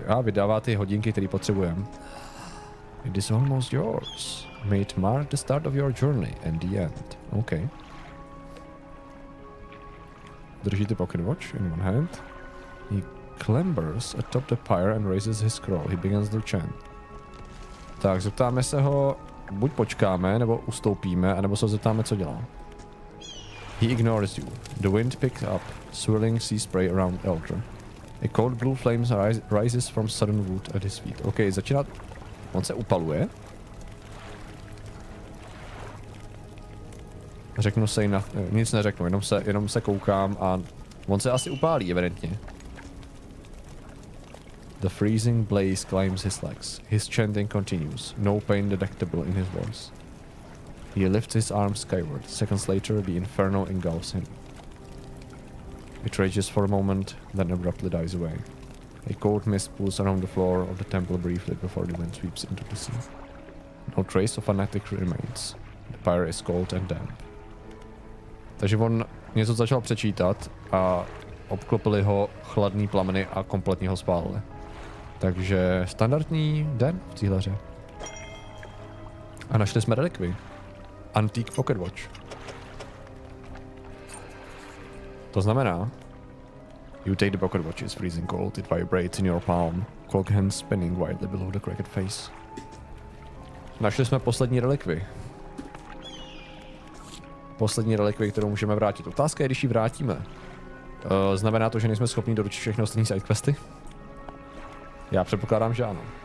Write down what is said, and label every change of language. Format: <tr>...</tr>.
<cs>A vydává ty hodinky, které potřebujeme.</cs> <en>It is almost yours. May it mark the start of your journey and the end. Okay.</en> <cs>Drží ty</cs> <en>pocket watch in one hand. He clambers atop the pyre and raises his scroll. He begins the chant.</en> <cs>Tak, zeptáme se ho, buď počkáme, nebo ustoupíme, anebo se ho zeptáme, co dělá.</cs> <en>He ignores you. The wind picks up, swirling sea spray around Eldr. A cold blue flame rises from sudden wood at his feet.</en> <cs>Okay, začíná... On se upaluje. Řeknu se jinak... Nic neřeknu, jenom se koukám a... On se asi upálí, evidentně.</cs> <en>The freezing blaze climbs his legs. His chanting continues, no pain detectable in his voice. He lifts his arms skyward. Seconds later, the inferno engulfs him. It rages for a moment, then abruptly dies away. A cold mist pulls around the floor of the temple briefly before the wind sweeps into the sea. No trace of fanatic remains. The pyre is cold and damp.</en> <cs>Takže on něco začal přečítat a obklopili ho chladný plameny a kompletně ho spálili. Takže standardní den v cíhlaře. A našli jsme relikvy.</cs> <en>Antique pocket watch.</en> <cs>To znamená...</cs> <en>You take the pocket watch, it's freezing cold, it vibrates in your palm. Clock hands spinning wildly below the cracked face.</en> <cs>Našli jsme poslední relikvy. Poslední relikvy, kterou můžeme vrátit. Otázka je, když ji vrátíme. Znamená to, že nejsme schopni doručit všechny ostatní sidequesty? Já předpokládám, že ano.</cs>